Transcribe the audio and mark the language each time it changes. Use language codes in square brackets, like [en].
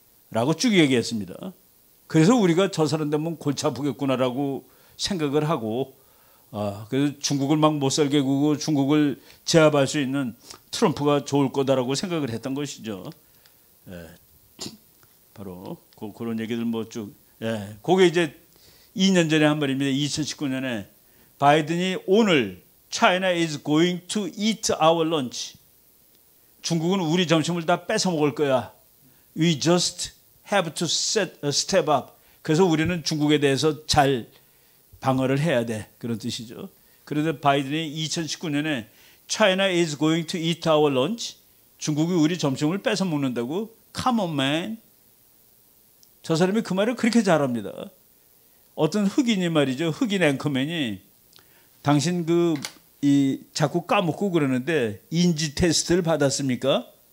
[ko] 라고 쭉 얘기했습니다. 그래서 우리가 저 사람 되면 골치 아프겠구나라고 생각을 하고 그래서 중국을 막 못 살게 구고 중국을 제압할 수 있는 트럼프가 좋을 거다라고 생각을 했던 것이죠. 예. 바로 그런 얘기들 뭐 쭉. 예. 그게 이제 2년 전에 한 말입니다. 2019년에. 바이든이 오늘 [en] China is going to eat our lunch. [ko] 중국은 우리 점심을 다 뺏어 먹을 거야. [en] We just have to set a step up. [ko] 그래서 우리는 중국에 대해서 잘 방어를 해야 돼. 그런 뜻이죠. 그런데 바이든이 2019년에 [en] China is going to eat our lunch. [ko] 중국이 우리 점심을 뺏어 먹는다고. [en] Come on, man. [ko] 저 사람이 그 말을 그렇게 잘합니다. 어떤 흑인이 말이죠. 흑인 앵커맨이 당신 그 이 자꾸 까먹고 그러는데 인지 테스트를 받았습니까?